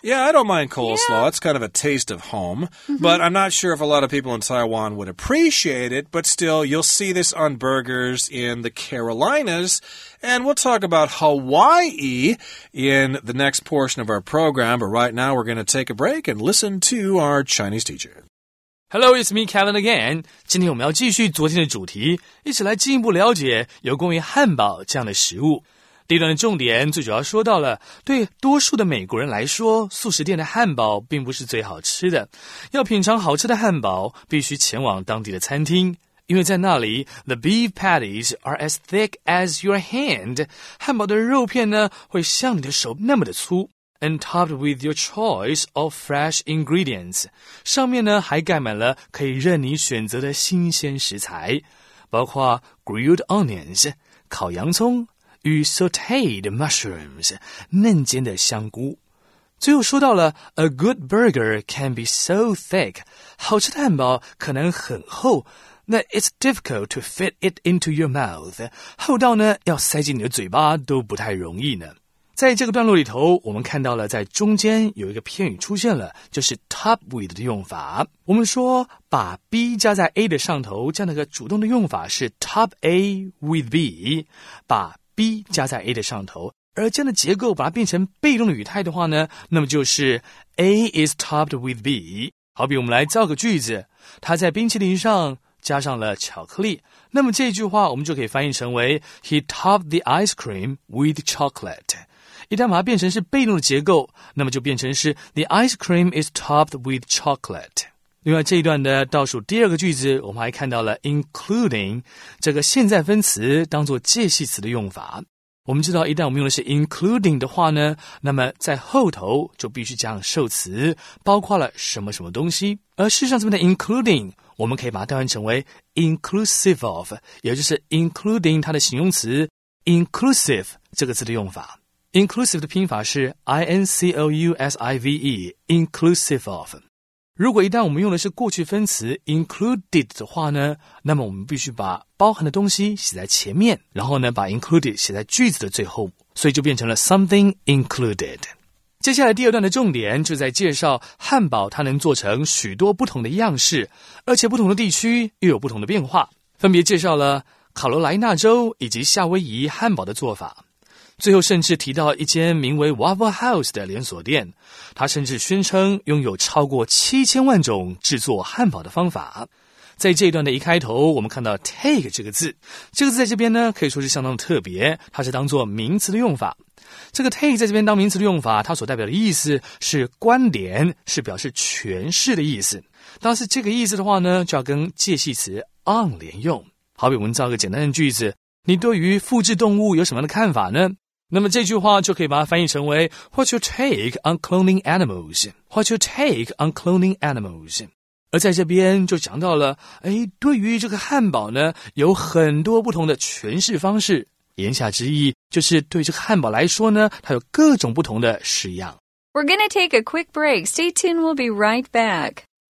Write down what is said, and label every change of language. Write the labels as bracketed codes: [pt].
[en] Yeah, I don't mind coleslaw. Yeah. It's kind of a taste of home. Mm-hmm. But I'm not sure if a lot of people in Taiwan would appreciate it. But still, you'll see this on burgers in the Carolinas. And we'll talk about Hawaii in the next portion of our program. But right now, we're going to take a break and listen to our Chinese teacher. Hello, it's me, Kevin again. [zh] 今天我们要继续昨天的主题，一起来进一步了解有关于汉堡这样的食物。第一段的重点最主要说到了，对多数的美国人来说，素食店的汉堡并不是最好吃的。要品尝好吃的汉堡，必须前往当地的餐厅。因为在那里 [en] the beef patties are as thick as your hand. [zh] 汉堡的肉片呢会像你的手那么的粗。 [en] And topped with your choice of fresh ingredients. [zh] 上面呢还盖满了可以任你选择的新鲜食材。包括 grilled onions, 烤洋葱与 sauteed mushrooms, 嫩煎的香菇。最后说到了 [en] A good burger can be so thick, [zh] 好吃的汉堡可能很厚 [en] that it's difficult to fit it into your mouth, [zh] 厚到呢要塞进你的嘴巴都不太容易呢。在这个段落里头我们看到了在中间有一个片语出现了就是 top with 的用法。我们说把 B 加在 A 的上头这样的一个主动的用法是 top A with B, 把 B 加在 A 的上头。而这样的结构把它变成被动的语态的话呢那么就是 [en] A is topped with B。 [zh] 好比我们来造个句子他在冰淇淋上加上了巧克力。那么这句话我们就可以翻译成为 [en] He topped the ice cream with chocolate。 [zh] 一旦把它变成是被动的结构那么就变成是 [en] The ice cream is topped with chocolate。 [zh] 另外这一段的倒数第二个句子我们还看到了 including, 这个现在分词当作介系词的用法。我们知道一旦我们用的是 including 的话呢那么在后头就必须加上受词包括了什么什么东西。而事实上这边的 including, 我们可以把它代换成为 inclusive of, 也就是 including 它的形容词 inclusive 这个字的用法。 inclusive 的拼法是 I-N-C-O-U-S-I-V-E, inclusive of。如果一旦我们用的是过去分词 included 的话呢那么我们必须把包含的东西写在前面然后呢把 included 写在句子的最后所以就变成了 something included。接下来第二段的重点就在介绍汉堡它能做成许多不同的样式而且不同的地区又有不同的变化分别介绍了卡罗莱纳州以及夏威夷汉堡的做法。最后甚至提到一间名为 Waffle House 的连锁店他甚至宣称拥有超过7000万种制作汉堡的方法。在这一段的一开头我们看到 take 这个字这个字在这边呢可以说是相当特别它是当作名词的用法。这个 take 在这边当名词的用法它所代表的意思是观点是表示诠释的意思。但是这个意思的话呢就要跟介系词 on 连用。好比我们造个简单的句子你对于复制动物有什么样的看法呢那么这句话就可以把它翻译成为 [en] What's your take on cloning animals? What's your take on cloning animals? [zh] 而在这边就讲到了诶对于这个汉堡呢有很多不同的诠释方式。言下之意就是对这个汉堡来说呢它有各种不同的式样。 [en] We're gonna take a quick break. Stay tuned, we'll be right back.